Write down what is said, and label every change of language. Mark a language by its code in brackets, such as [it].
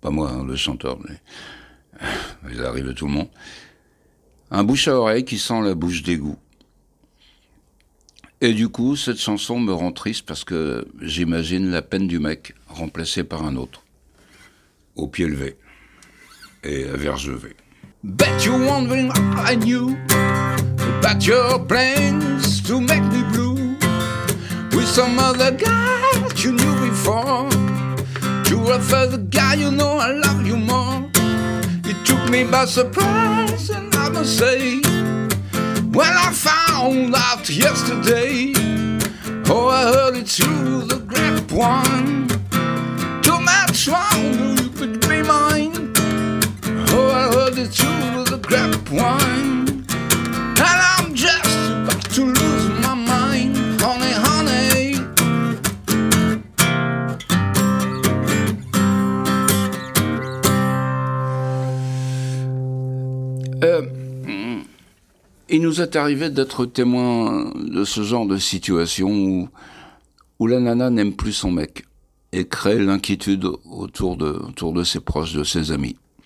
[fr] Pas moi, hein, le chanteur, mais il arrive à tout le monde. Un bouche à oreille qui sent la bouche d'égout. Et du coup, cette chanson me rend triste parce que j'imagine la peine du mec remplacé par un autre. Au pied levé. Et à verge levé. [en] Bet you're wondering I knew about your plans to make me blue with some other guy you knew before. You were the guy, you know I love you more. You took me by surprise, and I must say, well, I found out yesterday. Oh, I heard it through the grapevine. Too much wrong, you could be mine. Oh, I heard it through the grapevine. And I'm just about to lose my mind. Honey, honey, [fr] il nous est arrivé d'être témoin de ce genre de situation où la nana n'aime plus son mec et crée l'inquiétude autour de ses proches, de ses amis.